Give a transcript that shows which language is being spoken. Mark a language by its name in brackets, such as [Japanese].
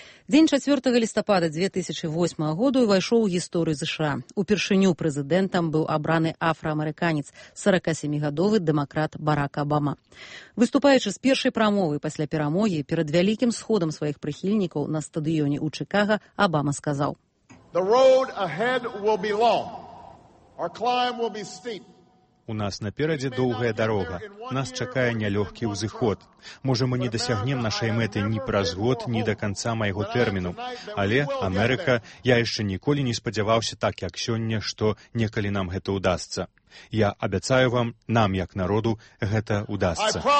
[Belarusian] Дзень 4 лістапада 2008 году увайшоў у гісторыю ЗША. Упершыню прэзідэнтам быў абраны афраамерыканец, 47-гадовы дэмакрат Барак Абама. Выступаючы з першай прамовы пасля перамогі перад вялікім сходам сваіх прыхільнікаў на стадыёне ў Чыкаго, Абама сказаў: [English] "The road ahead will be long. Our climb will be steep. [Belarusian] У нас наперадзе доўгая дарога. Нас чакае нялёгкі ўзыход. Можа, мы не дасягнем нашай мэты ні праз год, ні да канца майго тэрміну. Але, Амерыка, я яшчэ ніколі не спадзяваўся так, як сёння, што некалі нам гэта ўдасца. Я абяцаю вам, нам, як народу, гэта ўдасца".